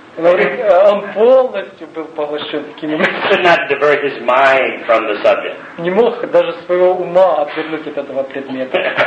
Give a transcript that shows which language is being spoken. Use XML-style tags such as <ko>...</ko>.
<ru>Он полностью был поглощен такими мыслями.</ru> <en>Could not divert his mind from the subject.</en> <ru>Не мог даже своего ума отвернуть от этого предмета.</ru>